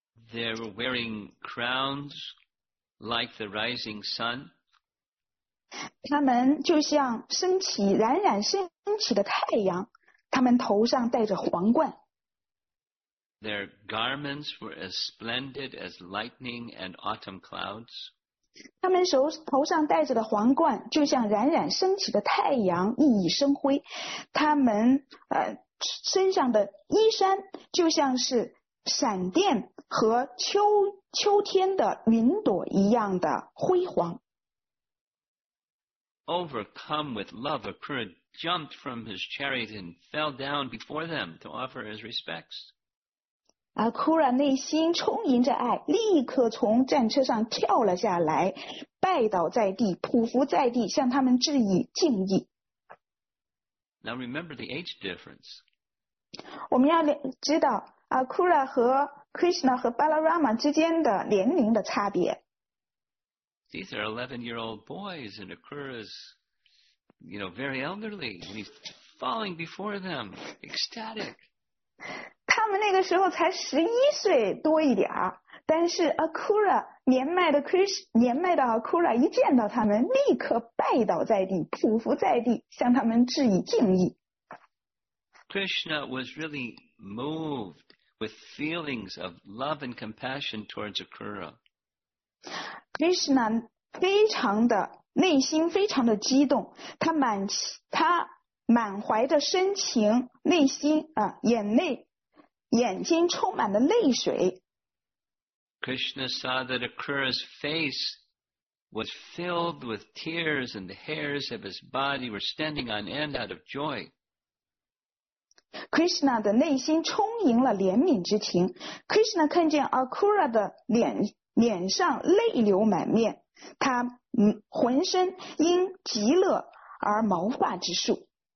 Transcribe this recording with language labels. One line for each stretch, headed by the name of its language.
English: They were wearing crowns like the rising sun.
Chinese: 他们就像升起，冉冉升起的太阳。他们头上戴着皇冠。
English: Their garments were as splendid as lightning and autumn clouds.
Chinese: 他们头上戴着的皇冠就像冉冉升起的太阳，熠熠生辉。他们身上的衣衫就像是闪电和秋天的云朵一样的辉煌。
English: Overcome with love, Akura jumped from his chariot and fell down before them to offer his respects.
Chinese: Akura 内心充盈着爱，立刻从战车上跳了下来，拜倒在地，匍匐在地，向他们致以敬意。
English: Now remember the age difference.
Chinese: 我们要知道 Akura 和 Krishna 和 Balarama 之间的年龄的差别。
English: These are 11-year-old boys, and Akura's, you know, very elderly, and he's falling before them, ecstatic.
Chinese: 他们那个时候才11岁多一点，但是 Akura 年迈的 Akura 一见到他们，立刻拜倒在地，匍匐在地，向他们致以敬意。
English: Krishna was really moved with feelings of love and compassion towards Akura.
Chinese: Krishna 非常的内心非常的激动，他满怀的深情，内心啊眼泪，眼睛充满了泪水。
English: Krishna saw that Akura's face was filled with tears, and the hairs of his body were standing on end out of joy.
Chinese: Krishna 的内心充盈了怜悯之情。Krishna 看见 Akura 的脸上泪流满面，他浑身因极乐而毛发直竖。